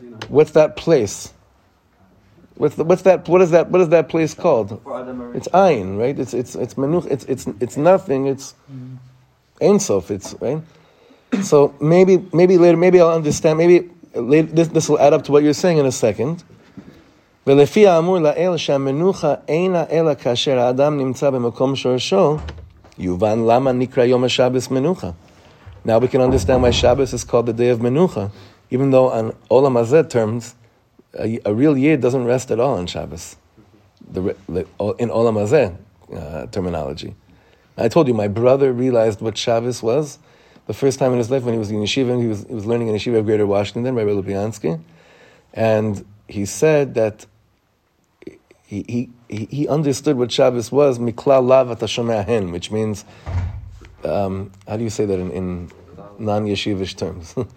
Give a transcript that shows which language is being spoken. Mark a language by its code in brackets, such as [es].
[en] What's that place? What is that place called? It's ayin, right? It's menuch. It's nothing. It's ein sof. It's right. So maybe later. Maybe I'll understand. Maybe later, this will add up to what you're saying in a second. [he] ולפי האמור לאל שהמנוחה אינה אלא כאשר האדם נמצא במקום שורשו, יובן למה נקרא יום השבס מנוחה. [en] Now we can understand why Shabbos is called the day of menucha, even though on Olam Hazeh terms, a real Yid doesn't rest at all on Shabbos. In Olam Hazeh terminology. I told you, my brother realized what Shabbos was the first time in his life when he was in yeshiva, and he was learning in yeshiva of Greater Washington, Rabbi Lubyansky, and he said that he understood what Shabbos was, Mikla Lava Tashomehen, which means, how do you say that in non-yeshivish terms?